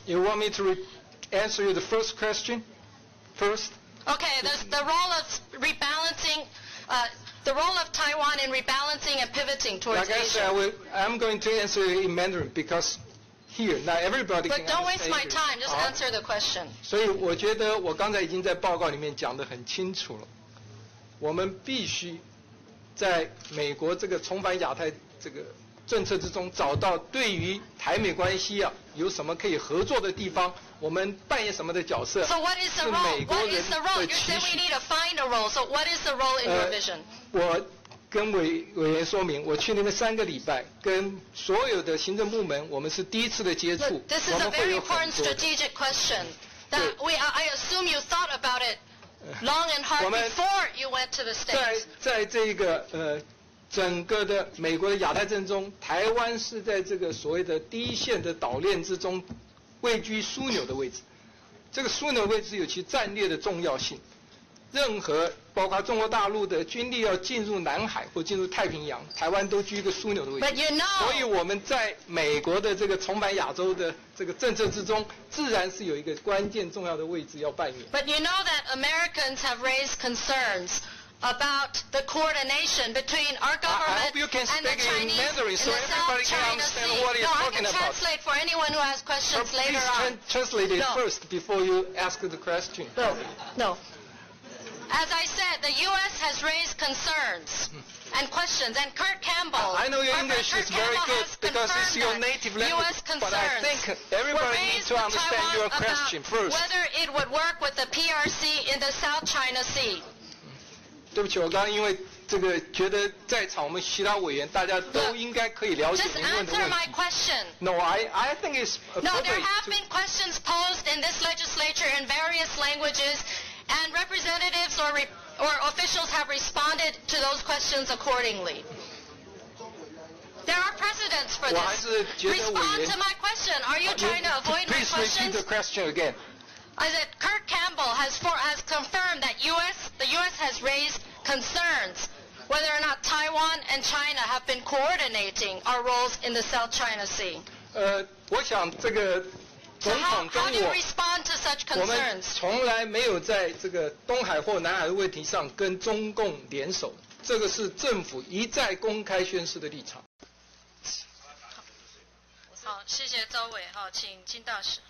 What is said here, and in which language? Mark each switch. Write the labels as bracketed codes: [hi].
[en] You want me to answer you the first question? First? Okay, there's the role of rebalancing... The role of Taiwan in rebalancing and pivoting towards Asia. Like I said, I'm going to answer in Mandarin because here, not everybody can understand. But don't waste my time. Just answer the question. [zh] 所以我觉得我刚才已经在报告里面讲得很清楚了。我们必须在美国这个重返亚太这个政策之中找到对于台美关系啊有什么可以合作的地方。我们扮演什么的角色 [en] ？So what is the role? What is the role? You say we need to find a role. So what is the role in your vision? [zh] 我跟委员说明，我去那边三个礼拜，跟所有的行政部门，我们是第一次的接触。 [en] This is a very important strategic question that I assume you thought about it long and hard before you went to the States. [zh] 在这个整个的美国的亚太政中，台湾是在这个所谓的第一线的岛链之中。位居枢纽的位置，这个枢纽位置有其战略的重要性。任何包括中国大陆的军力要进入南海或进入太平洋，台湾都居一个枢纽的位置。 [en] But you know, [zh] 所以我们在美国的这个重返亚洲的这个政策之中，自然是有一个关键重要的位置要扮演。 [en] But you know that Americans have raised concerns about the coordination between our government I hope you can speak and the Chinese in the South China Sea. No, I can translate for anyone who has questions later on. Please translate it first before you ask the question. No. As I said, the U.S. has raised concerns and questions, and Kurt Campbell. I know your English is very good because it's your native language. But I think everybody needs to understand your question first. Whether it would work with the PRC in the South China Sea. [zh] 对不起，我刚刚因为这个觉得在场我们其他委员大家都应该可以了解您问的问题。 [en] Just answer my question. No, I think it's no. There have been questions posed in this legislature in various languages, and representatives or officials have responded to those questions accordingly. There are precedents for this. [zh] 我还是觉得委员。 [en] Respond to my question. Are you trying to avoid my questions? Please repeat the question again. I said, Kirk Campbell has confirmed that the U.S. has raised concerns whether or not Taiwan and China have been coordinating our roles in the South China Sea. [zh] 我想这个总统跟我，我们从来没有在这个东海或南海的问题上跟中共联手，这个是政府一再公开宣示的立场。好，谢谢周伟。好，请金大使。